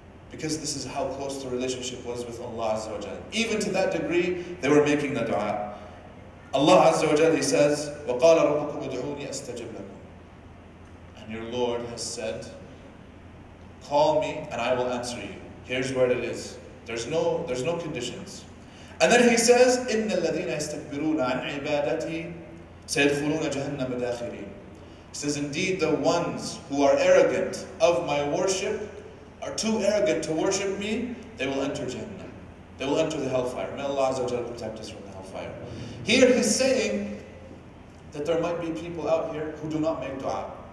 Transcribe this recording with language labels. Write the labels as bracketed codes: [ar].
[en] Because this is how close the relationship was with Allah Azza wa Jal. Even to that degree, they were making the dua. [ar] Allah Azza wa Jal, [en] he says, [ar] وَقَالَ رَبُّكُمْ اُدْعُونِي أَسْتَجِبْ لَكُمْ. [en] And your Lord has said, call me and I will answer you. Here's where it is. There's no conditions. And then he says, [ar] إِنَّ الَّذِينَ يَسْتَكْبِرُونَ عَنْ عِبَادَتِي سَيَدْخُلُونَ جَهَنَّمَ دَاخِرِينَ. [en] He says, indeed the ones who are arrogant of my worship, are too arrogant to worship me, they will enter Jahannam. They will enter the hellfire. May Allah Azza wa Jalla protect us from the hellfire. Here he's saying that there might be people out here who do not make dua.